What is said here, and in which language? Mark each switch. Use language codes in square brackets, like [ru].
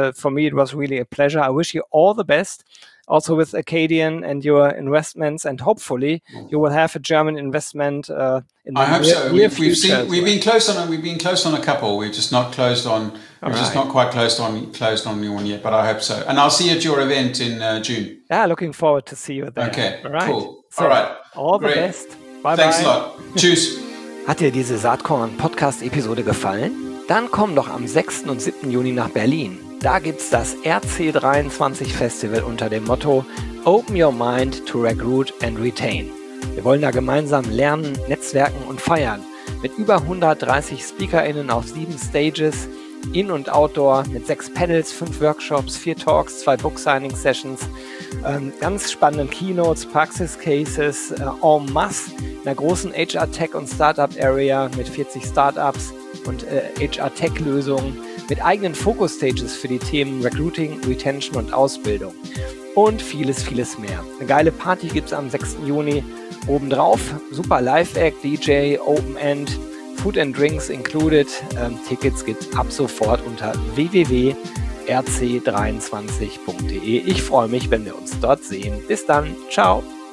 [en] For me, it was really a pleasure. I wish you all the best, also with Acadian and your investments, and hopefully you will have a German investment We've been close on a couple. We've just not quite closed on anyone yet, but I hope so. And I'll see you at your event in June. Yeah, looking forward to see you there. Okay. All right. Cool. So, all right. All the best. Bye-bye. Thanks a lot. Tschüss. [de] Hat dir diese Saatkorn Podcast Episode gefallen? Dann komm doch am 6. und 7. Juni nach Berlin. Da gibt's das RC23 Festival unter dem Motto Open Your Mind to Recruit and Retain. Wir wollen da gemeinsam lernen, netzwerken und feiern. Mit über 130 SpeakerInnen auf 7 Stages, In- und Outdoor, mit 6 Panels, 5 Workshops, 4 Talks, 2 Book-Signing-Sessions, ganz spannenden Keynotes, Praxis-Cases, en masse, in der großen HR-Tech- und Startup-Area mit 40 Startups und HR-Tech-Lösungen, mit eigenen Focus-Stages für die Themen Recruiting, Retention und Ausbildung. Und vieles, vieles mehr. Eine geile Party gibt es am 6. Juni. Obendrauf, super Live-Act, DJ, Open-End, Food and Drinks included. Tickets gibt es ab sofort unter www.rc23.de. Ich freue mich, wenn wir uns dort sehen. Bis dann. Ciao.